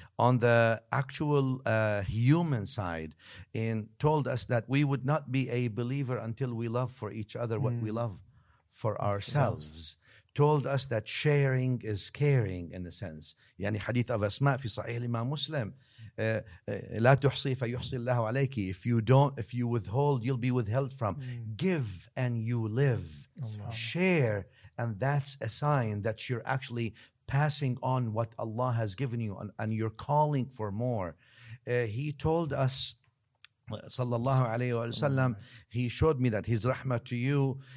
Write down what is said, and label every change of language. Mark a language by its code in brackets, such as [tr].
[en] On the actual human side, in told us that we would not be a believer until we love for each other what we love for ourselves. Told us that sharing is caring, in a sense. [ar] يعني حديث أبو أسماء في صحيح الإمام مسلم لا تحصي فيحصي الله عليك. [en] If you don't, if you withhold, you'll be withheld from. Give and you live. Share. And that's a sign that you're actually passing on what Allah has given you and you're calling for more. He told us, sallallahu alayhi wa sallam, he showed me that his rahmah to you.